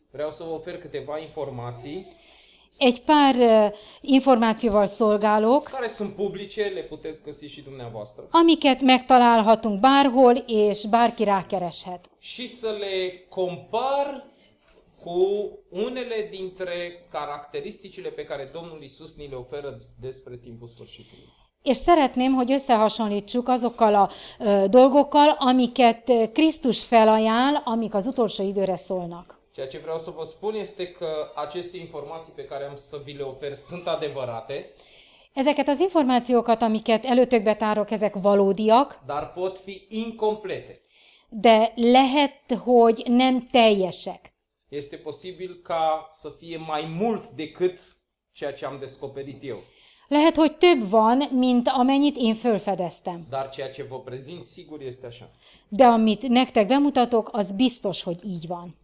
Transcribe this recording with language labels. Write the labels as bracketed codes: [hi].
[ro] Vreau să vă ofer câteva informații. [hu] Egy pár információval szolgálok. [ro] Care sunt publice, le puteți găsi și dumneavoastră. [hu] Amiket megtalálhatunk bárhol és bárki rákereshet. [ro] Și să le compar cu unele dintre caracteristicile pe care Domnul Iisus ni le oferă despre timpul sfârșitului. [hu] És szeretném, hogy összehasonlítsuk azokkal a dolgokkal, amiket Krisztus felajánl, amik az utolsó időre szólnak. [ro] Ceea ce vreau să vă spun este că aceste informații pe care am să vi le ofer sunt adevărate. [hu] Ezeket az információkat, amiket előtökbe tárok, ezek valódiak. [ro] Dar pot fi incomplete. [hu] De lehet, hogy nem teljesek. [ro] Este posibil ca să fie mai mult decât ceea ce am descoperit eu. [hu] Lehet, hogy több van, mint amennyit én fölfedeztem. [ro] Dar ceea ce vă prezint, sigur este așa. [hu] De amit nektek bemutatok, az biztos, hogy így van.